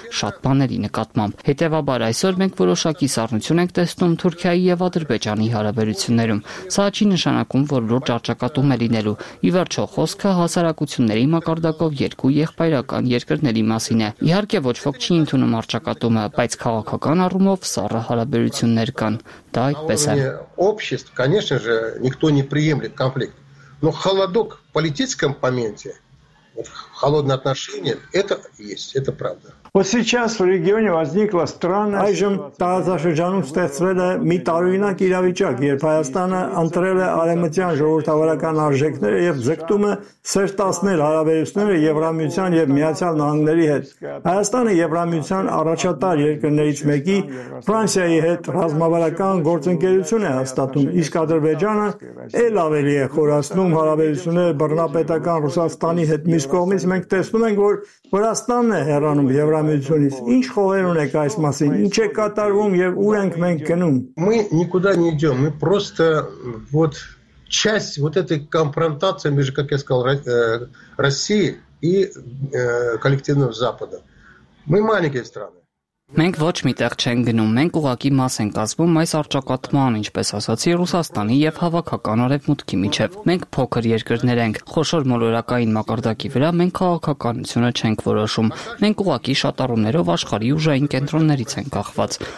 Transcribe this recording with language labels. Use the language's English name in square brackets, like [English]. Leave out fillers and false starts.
[Armenian] շատ բաների նկատմամբ։ Հետևաբար այսօր մենք որոշակի սառնություն ենք տեսնում Թուրքիայի եւ Ադրբեջանի հարաբերություններում։ Սա չի նշանակում, որ լուրջ արճակատում է լինելու։ Ի վերջո, խոսքը հասարակությունների մակարդակով երկու եղբայրական երկրների մասին է։ Իհարկե ոչ ոք չի ընդունում արճակատումը, բայց քաղաքական առումով սառը հարաբերություններ կան։ Да, [Russian] на уровне общества, конечно же, никто не приемлет конфликт. Но холодок в политическом моменте, холодное отношение, это есть, это правда. Вот сейчас в регионе возникла странная ситуация. [Armenian] Այժմ տարածաշրջանում ստեղծվել է մի տարօրինակ իրավիճակ, երբ Հայաստանը ընտրել է արևմտյան ժողովրդավարական արժեքները եւ ձգտում է սերտասներ հարաբերությունները Եվրամիության եւ Միացյալ Նահանգների հետ։ Հայաստանը Եվրամիության առաջատար երկրներից մեկի Ֆրանսիայի հետ ռազմավարական գործընկերություն է հաստատում, իսկ Ադրբեջանը էլ ավելի է խորացնում հարաբերությունները բռնապետական Ռուսաստանի հետ։ Մյուս կողմից մենք տեսնում ենք, որ Վրաստանն է հեռանում Евромедицинис. Ինչ խոհեր ունեք այս մասին, ինչ է կատարվում եւ ուր ենք մենք գնում? [Russian] Мы никуда не идём. Мы просто вот часть вот этой конфронтации между, как я сказал, России и коллективным Западом. Мы маленькие страны. [Armenian] Մենք ոչ մի տեղ չենք գնում, մենք ուղակի մաս ենք ազվում այս արճակատման, ինչպես ասացի, Ռուսաստանի եւ հավաքական արևմուտքի միջև։ Մենք փոքր երկրներ ենք, խոշոր մոլորակային մակարդակի վրա մենք քաղաքականությունը չենք որոշում, մենք ուղակի շատառումներով աշխարհի ուժային կենտրոններից ենք ախված։